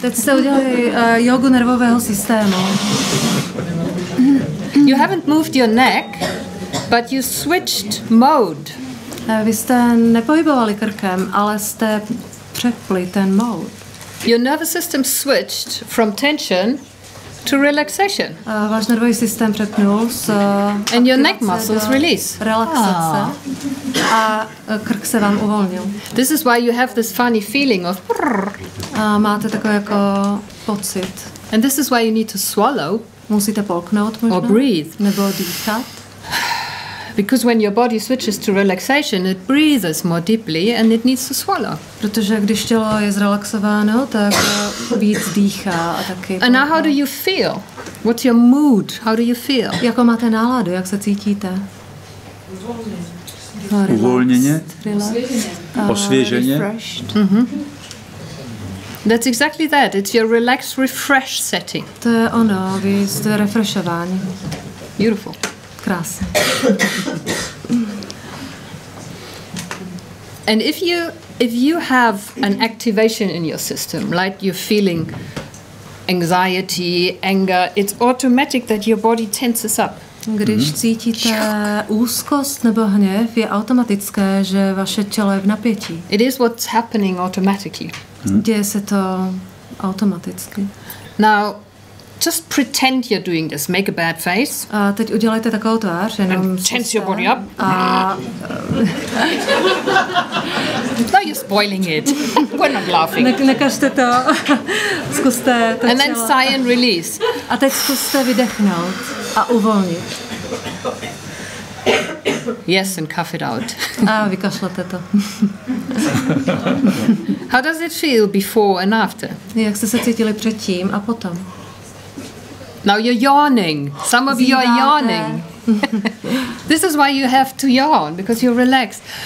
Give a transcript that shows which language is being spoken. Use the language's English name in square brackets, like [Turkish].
[Czech] Teď jste udělali jogu nervového systému. [English] You haven't moved your neck, but you switched mode. [Czech] Vy jste nepohybovali krkem, ale jste přepli ten mód. [English] Your nervous system switched from tension to relaxation. [Czech] Váš nervový systém přepnul z [English] and your neck muscles release. [Czech] Relaxace. A krk se vám uvolnil. [English] This is why you have this funny feeling of [Czech] máte takový jako pocit. [English] And this is why you need to swallow. [Czech] Musíte polknout možná. [English] Or breathe. [Czech] Nebo dýchat. [English] Because when your body switches to relaxation, it breathes more deeply and it needs to swallow. [Czech] Protože když tělo je zrelaxováno, tak víc dýchá a taky. [English] And now how do you feel? What's your mood? How do you feel? [Czech] Jako máte náladu? Jak se cítíte? Uvolněně. [English] Relax. [Czech] Osvěženě. [English] Mm-hmm. That's exactly that. It's your relax refresh setting. [Czech] To je ono, vy jste refreshováni. [English] Beautiful. And if you have an activation in your system, like you're feeling anxiety, anger, it's automatic that your body tenses up. [Czech] Když cítíte úzkost nebo hněv, je automatické, že vaše tělo je v napětí. [English] It is what's happening automatically. [Czech] Děje se to automaticky. [English] Now, just pretend you're doing this. Make a bad face. [Czech] A teď udělejte takovou tvář, jenom [English] and tense your body up. [Czech] A [English] no, you're spoiling it. We're not laughing. [Czech] Nekažte to. Zkuste to [English] and then sigh and release. [Czech] A teď zkuste vydechnout a uvolnit. [English] Yes, and cough it out. [Czech] A vykašlete to. [English] How does it feel before and after? [Czech] Jak jste se cítili předtím a potom? [English] Now you're yawning. Some of you are yawning. This is why you have to yawn, because you're relaxed.